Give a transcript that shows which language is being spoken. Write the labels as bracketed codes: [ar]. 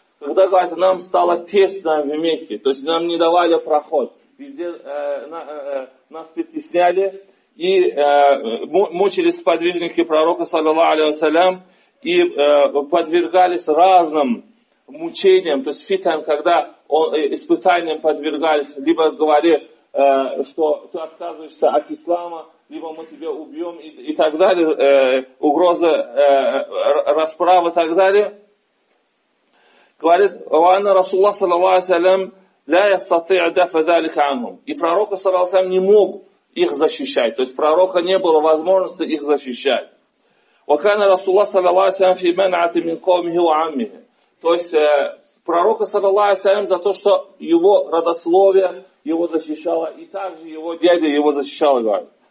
[ru] Когда, говорит, нам стало тесно в Мекке, то есть нам не давали проход, везде нас притесняли и мучились сподвижники пророка, саллиллаху алейхи ва саллям, и подвергались разным мучениям, то есть фитнам, когда испытаниям подвергались, либо говорили, что ты отказываешься от ислама, либо мы тебя убьем и так далее, угроза расправы и так далее. [ar] Говорит, وَأَنَّ رَسُولُ اللَّهِ صَلَّى اللَّهُ عَلَيْهِ وَسَلَّمَ لَا يَسْتَطِيعُ دَفْعَ ذَلِكَ عَنْهُمْ. [ru] И пророк, саллаллаху алейхи ва саллям, не мог их защищать. То есть пророка не было возможности их защищать. [ar] وَكَانَ رَسُولُ اللَّهِ صَلَّى اللَّهُ عَلَيْهِ وَسَلَّمَ فِي مَنْعَةٍ مِنْ قَوْمِهِ وَعَمِّهِ. [ru] То есть пророка, саллаллаху алейхи ва саллям, за то, что его родословие его защищало, и также его дядя его защищал, говорит.